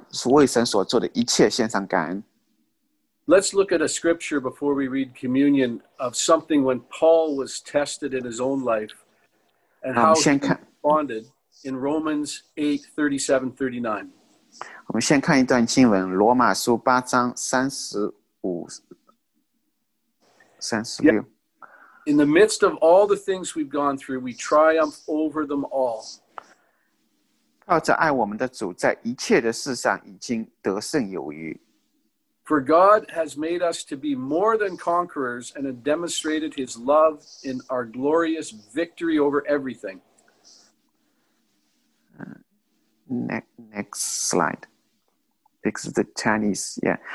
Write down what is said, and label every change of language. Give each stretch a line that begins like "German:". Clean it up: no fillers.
Chinese: 为神所做的一切献上感恩。
English: Let's look at a scripture before we read communion of something when Paul was tested in his own life and how he responded in Romans 8:37-39.
Chinese: 我们先看一段经文，罗马书八章三十。 Yeah.
English: In the midst of all the things we've gone through, we triumph over them all.
Chinese: 靠着爱我们的主，在一切的事上已经得胜有余。
English: For God has made us to be more than conquerors and has demonstrated his love in our glorious victory over everything. Next slide. Because the Chinese, yeah.